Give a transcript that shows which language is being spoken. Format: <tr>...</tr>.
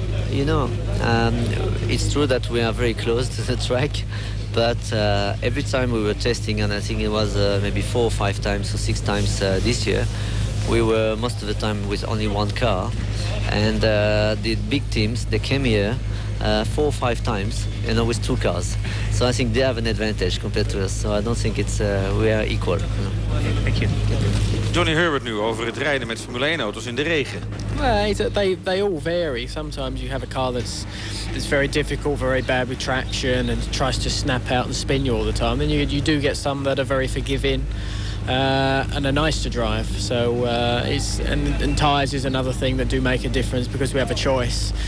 <en>You know, it's true that we are very close to the track, but every time we were testing, and I think it was maybe 4 or 5 times or 6 times this year, we were most of the time with only one car. And the big teams, they came here 4 or 5 times, you know, with 2 cars. So I think they have an advantage compared to us. So I don't think it's we are equal. Thank you.</en> <nl>Johnny Herbert nu over het rijden met Formule 1-auto's in de regen.</nl> <en>They all vary. Sometimes you have a car that's very difficult, very bad with traction, and tries to snap out and spin you all the time. Then you do get some that are very forgiving. And are nice to drive. So it's and tires is another thing that do make a difference, because we have a choice.</en>